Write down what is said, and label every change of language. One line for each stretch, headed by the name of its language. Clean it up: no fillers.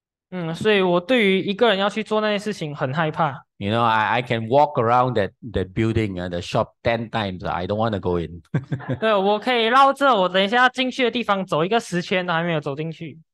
Chinese: 嗯，所以我对于一个人要去做那些事情很害怕。
English: You know, I can walk around that building, the shop 10 times. I don't want to go in.
Chinese: 对，我可以绕着我等一下要进去的地方走一个十圈都还没有走进去。